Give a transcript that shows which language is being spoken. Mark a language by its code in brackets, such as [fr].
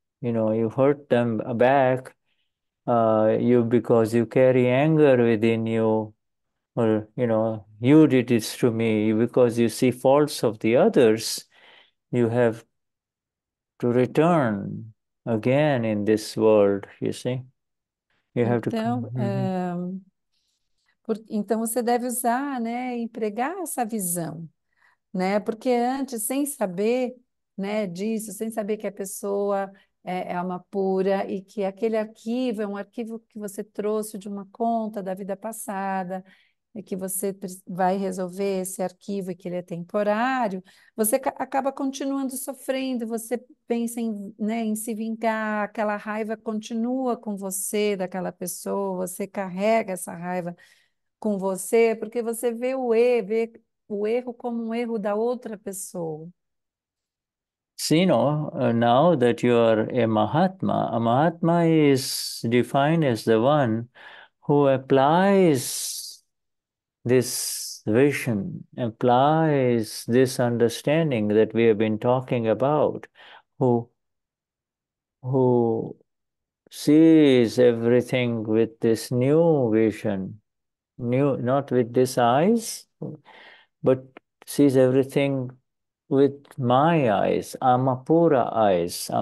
[en] You know, you hurt them back, because you carry anger within you, or, you know, you did this to me, because you see faults of the others, you have to return again in this world, you see? You have to come. [pt] Então, então você deve usar, né, empregar essa visão, né? Porque antes, sem saber, né, disso, sem saber que a pessoa é alma pura e que aquele arquivo é um arquivo que você trouxe de uma conta da vida passada, é que você vai resolver esse arquivo e que ele é temporário, você acaba continuando sofrendo, você pensa em se vingar, aquela raiva continua com você, daquela pessoa, você carrega essa raiva com você, porque você vê o erro como um erro da outra pessoa. [en] See, no, now that you are a Mahatma is defined as the one who applies this vision, applies this understanding that we have been talking about, who sees everything with this new vision, new, not with these eyes, but sees everything with my eyes, Amapura eyes.